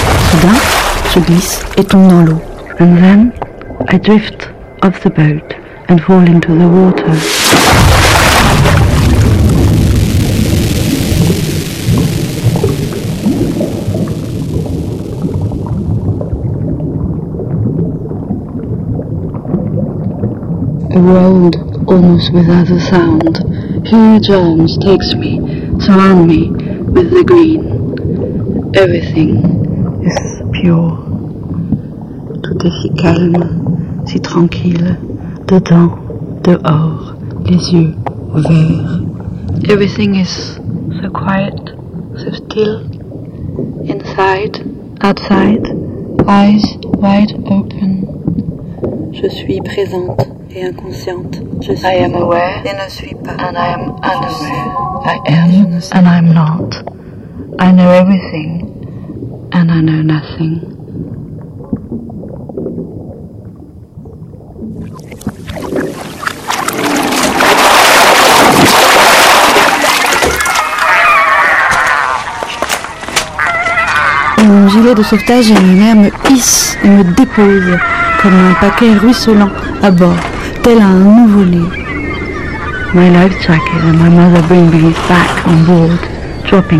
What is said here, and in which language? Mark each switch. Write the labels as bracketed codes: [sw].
[fr] Soudain, je glisse et tombe dans l'eau. [en] And then, I drift off the boat and fall into the water. rolled almost without a sound. Huge arms takes me, surround me with the green. Everything is pure. [fr] Tout est si calme, si tranquille, dedans, dehors, les yeux ouverts. [en] Everything is so quiet, so still. Inside, outside, eyes wide open. [fr] Je suis présente et inconsciente. Je suis [en] I am aware [fr] et ne suis pas. [en] And I am unaware. I am and I am not. I know everything and I know nothing. [fr] Mon gilet de sauvetage et mes mains me hissent et me déposent comme un paquet ruisselant à bord, tel un nouveau-né. [en] My life jacket and my mother bring me back on board, dropping me.